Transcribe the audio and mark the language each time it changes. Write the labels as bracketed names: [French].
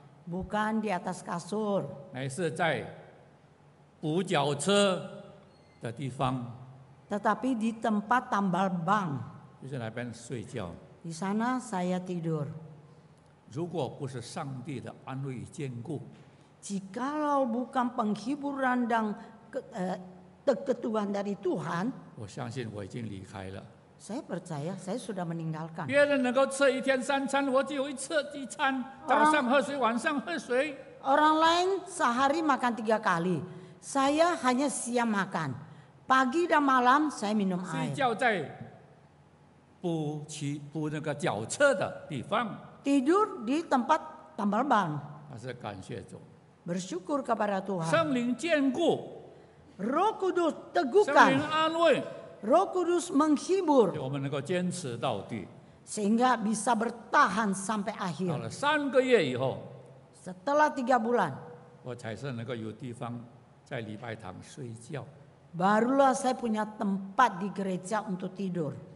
[Indonesian] bukan di atas kasur, [Chinese] 乃是在 补脚车的地方, [Indonesian] tetapi di tempat tambal ban. [Chinese] 就是那边睡觉, [Indonesian] di sana saya tidur. [Chinese] 如果不是上帝的安慰坚固, [Indonesian] jikalau bukan penghiburan dan ketuhan dari Tuhan, [Chinese] 我相信我已经离开了。 [Indonesian] Saya percaya saya sudah meninggalkan. [Chinese] 别人能够吃一天三餐, 我只有一次一餐, 早上喝水, 晚上喝水。 [Indonesian] Orang lain sehari makan tiga kali, saya hanya siang makan, Pagi dan malam saya minum air. [Chinese] 睡觉在补那个脚车的地方。 [Indonesian] Tidur di tempat tambal ban. [Chinese] 那是感谢主。 [Indonesian] Bersyukur kepada Tuhan. [Chinese] 圣灵眷顾。 [Indonesian] Roh Kudus teguhkan. [Chinese] 圣灵安慰。 [Indonesian] Roh Kudus menghibur. [Chinese] 我们能够坚持到底。 [Indonesian] Sehingga bisa bertahan sampai akhir. [Chinese] 到了3个月以后。 [Indonesian] Setelah 3 bulan. [Chinese] 我才是能够有地方在礼拜堂睡觉。 [Indonesian] Barulah saya punya tempat di gereja untuk tidur.